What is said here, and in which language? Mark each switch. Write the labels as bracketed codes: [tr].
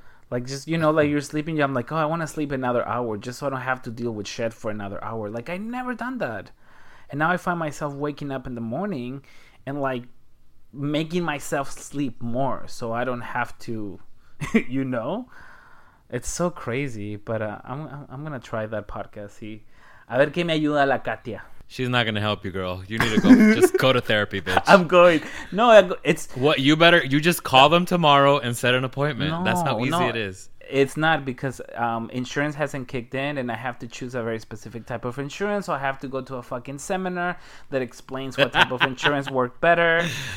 [en] Like, just, you know, like you're sleeping, I'm like, oh, I want to sleep another hour just so I don't have to deal with shit for another hour. Like, I never done that. And now I find myself waking up in the morning and like making myself sleep more so I don't have to, you know. It's so crazy, but I'm gonna try that podcast. [es] See, a ver que me ayuda la Katia. [en] She's not gonna help you, girl. You need to go. Just go to therapy, bitch. I'm going. No, it's what you better. You just call them tomorrow and set an appointment. No, that's how easy it is. It's not because insurance hasn't kicked in, and I have to choose a very specific type of insurance. So I have to go to a fucking seminar that explains what type of insurance worked better.